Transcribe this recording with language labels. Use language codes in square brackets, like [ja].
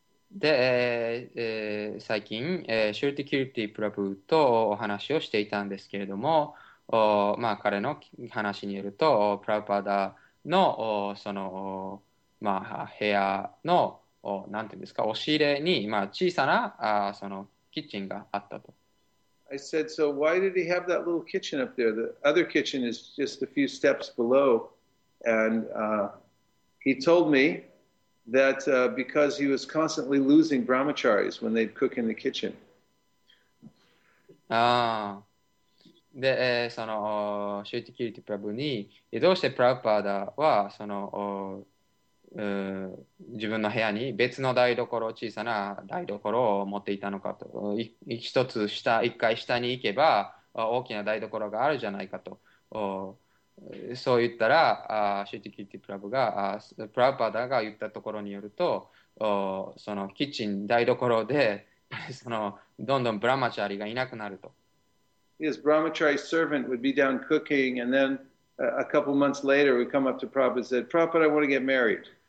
[ja] で、最近、シュルティキルティプラブとお話をしていたんですけれども、まあ彼の話によると、プラパダのそのまあ部屋のなんていうんですか、押し入れにまあ小さなそのキッチンがあったと。 [en] I said, so why did he have that little kitchen up there? The other kitchen is just a few steps below. And he told me that because he was constantly losing brahmacharis when they'd cook in the kitchen. [ja] で、その、シューティキリティプラブに、どうしてプラパーダは、その、自分の部屋に別の台所、小さな台所を持っていたのかと、一つ下、一階下に行けば大きな台所があるじゃないかと、そう言ったら、シュティキティプラブが、プラパダが言ったところによると、そのキッチン、台所で、そのどんどんブラマチャリがいなくなると。 [en] His brahmachari servant would be down cooking, and then a couple months later would come up to Prabhupada and said, Prabhupada, I want to get married.